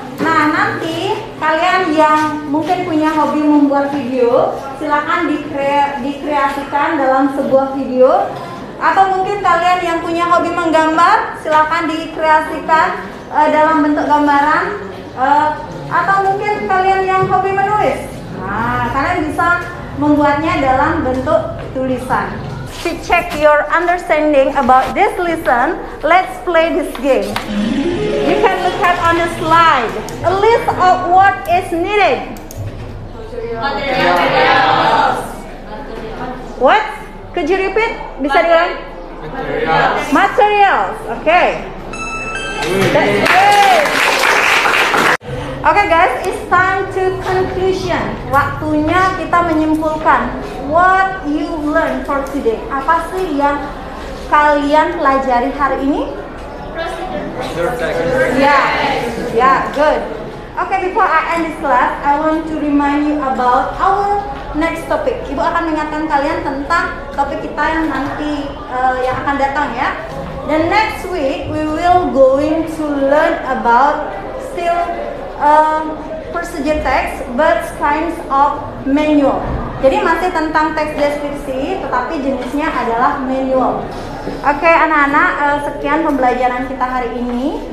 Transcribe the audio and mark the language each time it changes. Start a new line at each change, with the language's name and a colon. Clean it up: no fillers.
Indonesian: Nah, nanti kalian yang mungkin punya hobi membuat video, silakan dikreasikan dalam sebuah video. Atau mungkin kalian yang punya hobi menggambar, silakan dikreasikan dalam bentuk gambaran. Atau mungkin kalian yang hobi menulis, nah, kalian bisa membuatnya dalam bentuk tulisan.
English: To check your understanding about this lesson, let's play this game. You can look at on the slide. A list of what is needed. Materials. What? Could you repeat?
Indonesian: Bisa diulang?
English: Materials. Materials. Okay. That's good. Okay, guys, it's time to conclusion.
Indonesian: Waktunya kita menyimpulkan
English: what you learn for today.
Indonesian: Apa sih yang kalian pelajari hari ini?
English: Procedure. Yeah. Yeah, good. Okay, before I end this class, I want to remind you about our next topic.
Indonesian: Ibu akan mengingatkan kalian tentang topik kita yang nanti yang akan datang ya.
English: The next week we will going to learn about still procedure text, but kinds of manual.
Indonesian: Jadi masih tentang teks deskripsi, tetapi jenisnya adalah manual. Oke, anak-anak, sekian pembelajaran kita hari ini.